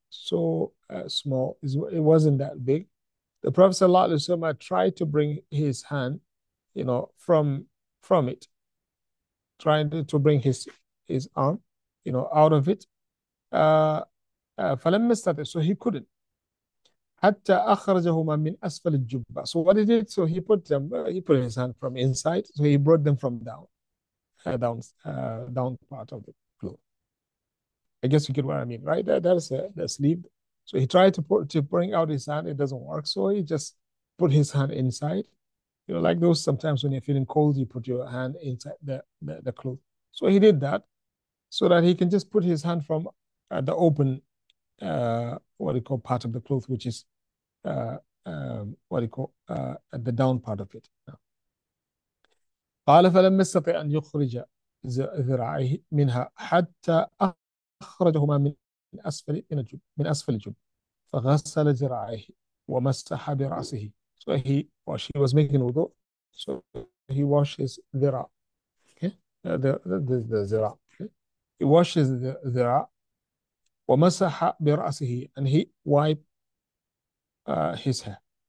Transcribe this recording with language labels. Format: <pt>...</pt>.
<en>so small. It wasn't that big. The Prophet sallallahu alaihi wasallam tried to bring his hand, from it, trying to bring his arm, out of it.</en> <ar>فلم يستطع.</ar> <en>So he couldn't.</en> <ar>حتى أخرجهما من أسفل الجبة.</ar> <en>So what he did? So he put his hand from inside. So he brought them from down part of the floor. I guess you get what I mean, right? That's the sleeve. So he tried to bring out his hand. It doesn't work. So he just put his hand inside. Like those sometimes when you're feeling cold, you put your hand inside the cloth. So he did that so that he can just put his hand from the open, what do you call, part of the cloth, which is what do you call, at the down part of it.</en> <ar>قال فلم يستطع أن يخرج ذراعيه منها حتى أخرجهما من أسفل الجب فغسل ذراعيه ومسح برأسه.</ar> <en>So he was making wudu. So he washes ذراع. Okay? The ذراع. Okay? He washes the ذراع</en> <ar>ومسح برأسه</ar> <en>and he wiped his hair.</en>